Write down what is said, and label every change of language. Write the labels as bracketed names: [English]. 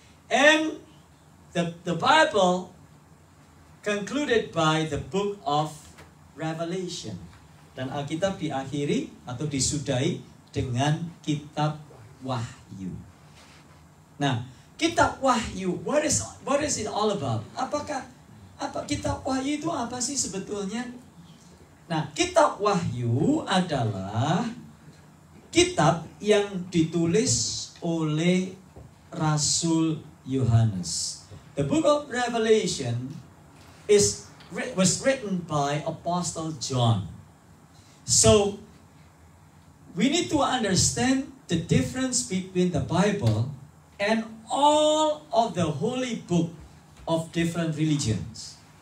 [English] And the Bible concluded by the book of Revelation. [Indonesian] Dan Alkitab diakhiri atau disudahi dengan kitab Wahyu. Nah, kitab Wahyu, [English] what is it all about? [Indonesian] Apa kitab Wahyu itu apa sih sebetulnya? Nah, kitab Wahyu adalah kitab yang ditulis oleh Rasul Yohanes. [English] The book of Revelation was written by Apostle John. So we need to understand the difference between the Bible and all of the holy book of different religions.